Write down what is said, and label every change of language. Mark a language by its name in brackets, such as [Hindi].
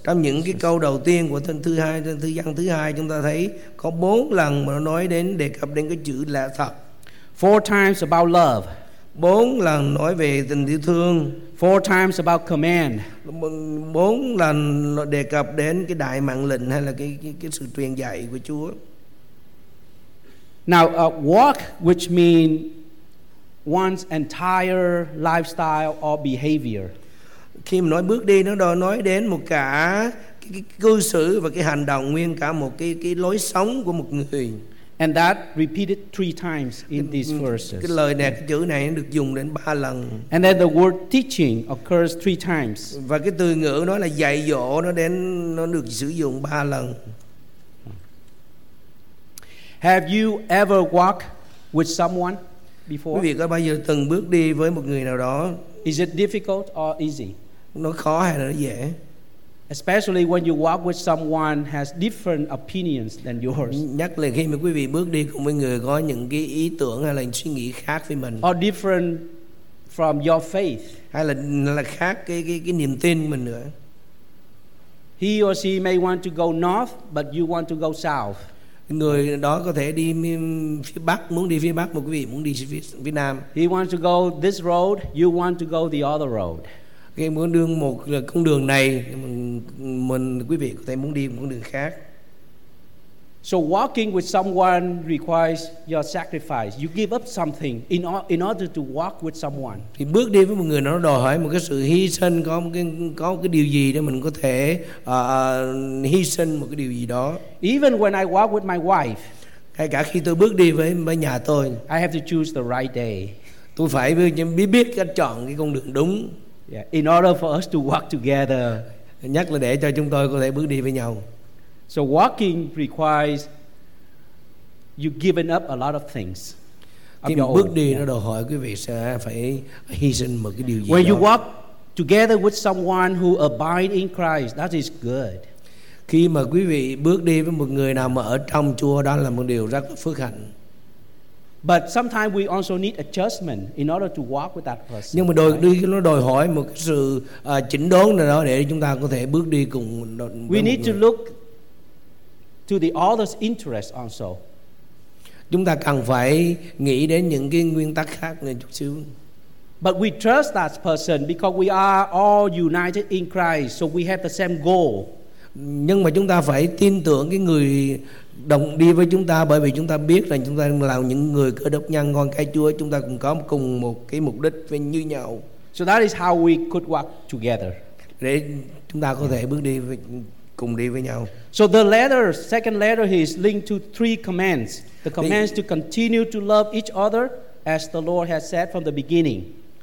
[Vietnamese] Trong những cái câu đầu tiên của thân thứ hai, thân thứ văn thứ hai, chúng ta thấy có 4 lần mà nó nói đến đề cập đến cái chữ lẽ thật. [English] 4 times about love. [Vietnamese] 4 lần nói về tình yêu thương. [English] Four times about command. [Vietnamese] Bốn lần đề cập đến cái đại mạng lệnh hay là cái sự truyền dạy của Chúa. [English] Now walk, which means one's entire lifestyle or behavior. [Vietnamese] Khi mà nói bước đi, nó đòi nói đến một cả cái cư xử và cái hành động, nguyên cả một cái lối sống của một người. [English] And that repeated three times in these verses. [Vietnamese] Cái lời này, cái chữ này được dùng đến ba lần. [English] And then the word teaching occurs three times. [Vietnamese] Và cái từ ngữ nói là dạy dỗ, nó đến, nó được sử dụng ba lần. [English] Have you ever walked with someone before? [Vietnamese] Quý vị có bao giờ từng bước đi với một người nào đó? [English] Is it difficult or easy? [Vietnamese] Nó khó hay là nó dễ? [English] Especially when you walk with someone has different opinions than yours. [Vietnamese] Nhất là khi mà quý vị bước đi cùng với người có những cái ý tưởng hay là suy nghĩ khác với mình. [English] Or different from your faith. [Vietnamese] Hay là khác cái niềm tin của mình nữa. [English] He or she may want to go north, but you want to go south. [Vietnamese] Người đó có thể đi phía bắc, muốn đi phía bắc, mà quý vị muốn đi phía nam. [English] He wants to go this road, you want to go the other road. [Vietnamese] Khi muốn đường một con đường này, mình quý vị có thể muốn đi một con đường khác. [English] So walking with someone requires your sacrifice. You give up something in order to walk with someone. [Vietnamese] Thì bước đi với một người nó đòi hỏi một cái sự hy sinh, có một cái điều gì để mình có thể hy sinh một cái điều gì đó. [English] Even when I walk with my wife, [Vietnamese] ngay cả khi tôi bước đi với nhà tôi, [English] I have to choose the right day. [Vietnamese] Tôi phải biết cách chọn cái con đường đúng. [English] Yeah, in order for us to walk together. [Vietnamese] Nhất là để cho chúng tôi có thể bước đi với nhau. [English] So walking requires you giving up a lot of things. [Vietnamese] Khi bước đi, nó đòi hỏi quý vị sẽ phải hy sinh một cái điều gì đó. [English] When you walk together with someone who abides in Christ, that is good. [Vietnamese] Khi mà quý vị bước đi với một người nào mà ở trong Chúa, đó là một điều rất là phước hạnh. [English] But sometimes we also need adjustment in order to walk with that person. [Vietnamese] Nhưng mà đôi khi nó đòi hỏi một cái sự chỉnh đốn nào đó để chúng ta có thể bước đi cùng. [English] We need to look to the other's interest also. [Vietnamese] Chúng ta cần phải nghĩ đến những cái nguyên tắc khác một chút xíu. [English] But we trust that person because we are all united in Christ, so we have the same goal. [Vietnamese] Nhưng mà chúng ta phải tin tưởng cái người đồng đi với chúng ta, bởi vì chúng ta biết là chúng ta là những người Cơ Đốc nhân con cái Chúa, chúng ta cũng có cùng một cái mục đích với như nhau. [English] So that is how we could walk together. [Vietnamese] Để chúng ta có thể bước đi với, cùng đi với nhau. [English] So the letter, second letter, is linked to three commands. The commands to continue to love each other as the Lord has said from the beginning.